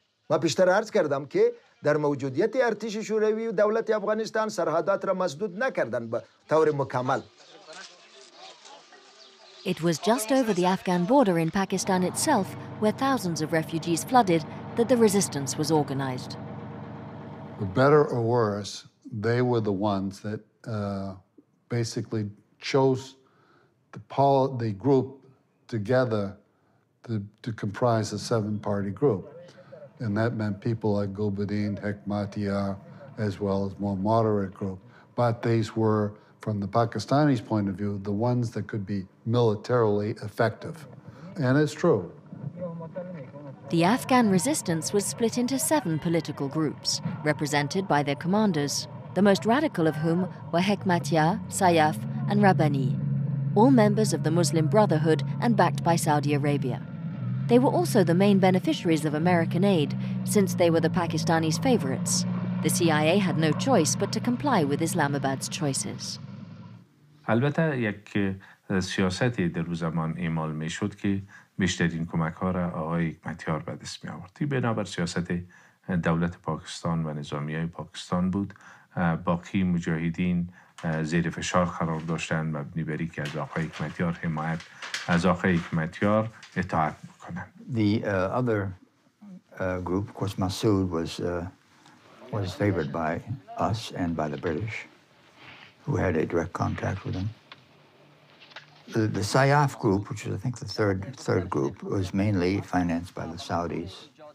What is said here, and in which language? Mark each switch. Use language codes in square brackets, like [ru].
[fa] ما پیشتر عرض کردم که در موجودیت ارتش شوروی و دولت افغانستان سرحدات را مسدود نکردن به طور مکمل. [en] It was just over the Afghan border in Pakistan itself where thousands of refugees flooded that the resistance was organized. For better or worse, they were the ones that basically chose the group together to comprise a seven-party group. And that meant people like Gulbuddin, Hekmatyar, as well as more moderate group. But these were, from the Pakistanis' point of view, the ones that could be militarily effective. And it's true. The Afghan resistance was split into seven political groups, represented by their commanders, the most radical of whom were Hekmatyar, Sayaf, and Rabbani. All members of the Muslim Brotherhood and backed by Saudi Arabia. They were also the main beneficiaries of American aid, since they were the Pakistanis' favorites. The CIA had no choice but to comply with Islamabad's choices. [fa] البته یک سیاستی در روز زمان اعمال می شد که بیشترین کمک ها را آقای حکمتیار به دست می آورد. بنابر سیاست دولت پاکستان و نظامی های پاکستان بود. باقی مجاهدین زیر فشار قرار داشتند مبنی بر اینکه از آقای حکمتیار حمایت از آقای حکمتیار اطاعت بکنند. [en] The other group, of course, Massoud was favored by us and by the British, who had a direct contact with him. The Sayaf group, which is I think the third group, was mainly financed by the Saudis.